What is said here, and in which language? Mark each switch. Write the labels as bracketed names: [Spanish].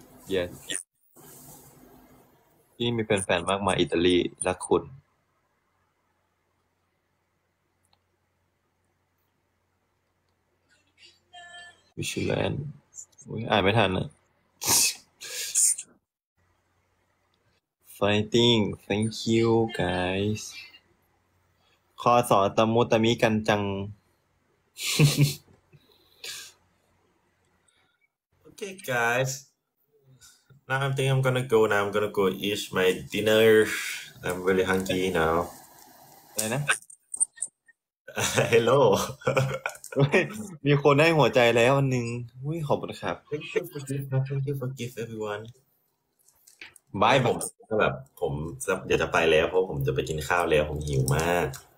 [Thai] เย้ที่มีแฟนๆมากมายอิตาลีรักคุณวิชแลนด์อุ้ยอ่านไม่ทันอ่ะ [English] Fighting thank you guys [Thai] ขอสอตมุตมิกันจัง [English] โอเค guys now I'm gonna go eat my dinner I'm really hungry now [Thai] อะไรนะ [English] Hello [Thai] มีคนให้หัวใจแล้วอันนึงอุ้ยขอบคุณครับ [English] Thank you for gift everyone Bye [Thai] ผมก็แบบผมเดี๋ยวจะไปแล้วเพราะผมจะไปกินข้าวแล้วผมหิวมาก